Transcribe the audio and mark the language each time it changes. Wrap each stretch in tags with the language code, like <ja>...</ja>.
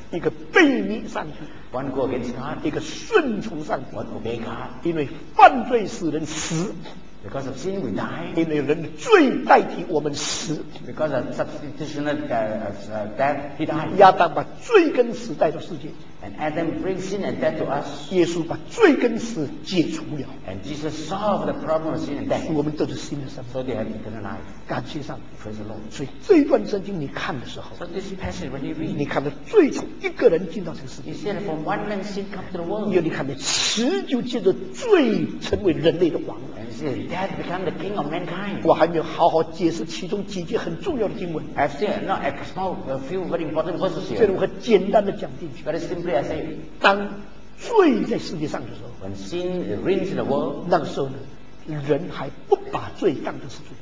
<zh>一个悖逆上帝。</zh> <en>One go against God.</en> <zh>一个顺从上帝。</zh> <en>One obey God.</en> <zh>因为犯罪使人死。</zh> <en>Because of sin we die.</en> <zh>因为人罪代替我们死。</zh> <en>Because of substitutional death he died.</en> <zh>亚当把罪跟死带到世界。</zh> <en>And Adam brings sin and death to us.</en> <zh>耶稣把罪跟死解除了。</zh> <en>And Jesus solved the problem of sin and death.</en> <zh>我们得着新的生命。</zh> <en>So they have eternal life.</en> <zh>感谢上帝。</zh> <en>Praise the Lord.</en> <zh>所以这一段圣经你看的时候。</zh> <en>So this passage when you read.</en> <zh>你看到罪从一个人进到这个世界。</zh> <en>You see that from one man sin come to the world.</en> <zh>又你看到死就借着罪成为人类的王。</zh> <en>And see death become the king of mankind.</en> <zh>我还没有好好解释其中几句很重要的经文。</zh> <en>I've said not a small, a few very important verses here.</en> <zh>这里我会简单的讲进去。</zh> <en>Very simple.</en> <zh>当罪在世界上的时候</zh> <en>When sin reigns in the world,</en> <zh>那个时候呢人还不把罪当作是罪</zh>